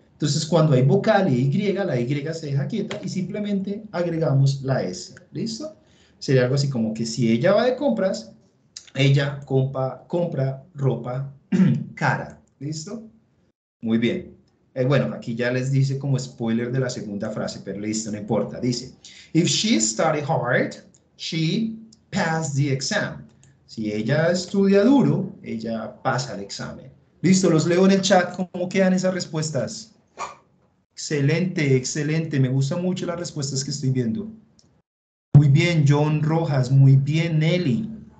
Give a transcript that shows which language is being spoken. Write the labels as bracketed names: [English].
[Spanish] Entonces, cuando hay vocal y Y, la Y se deja quieta y simplemente agregamos la S. ¿Listo? Sería algo así como que si ella va de compras, ella compra ropa cara. ¿Listo? Muy bien. Bueno, aquí ya les dice como spoiler de la segunda frase, pero listo, no importa. [English] Dice, if she studied hard, she passed the exam. [Spanish] Si ella estudia duro, ella pasa el examen. Listo, los leo en el chat. ¿Cómo quedan esas respuestas? Excelente, excelente. Me gustan mucho las respuestas que estoy viendo. Muy bien, John Rojas. Muy bien, Nelly.